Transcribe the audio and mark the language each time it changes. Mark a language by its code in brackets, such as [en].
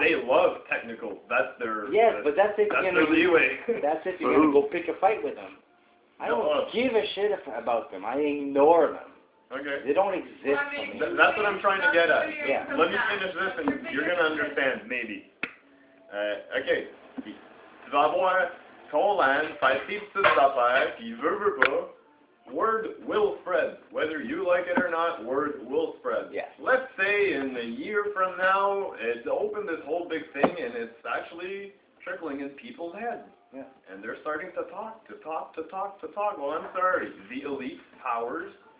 [en] They love technical. That's their. Yes, but that's if that's you're gonna. Their leeway. That's if you're gonna go pick a fight with them. I don't give a shit about them. I ignore them. Okay. They don't exist. That's what I'm trying to get at. Yeah. Let me finish this and you're going to understand, maybe. Okay. [fr] Tu vas avoir ton land, faire tes affaires, puis veux pas. [en] Word will spread. Whether you like it or not, word will spread. Yes. Let's say in a year from now, it opened this whole big thing and it's actually trickling in people's heads. Yeah. And they're starting to talk. Well, I'm sorry. The elite powers...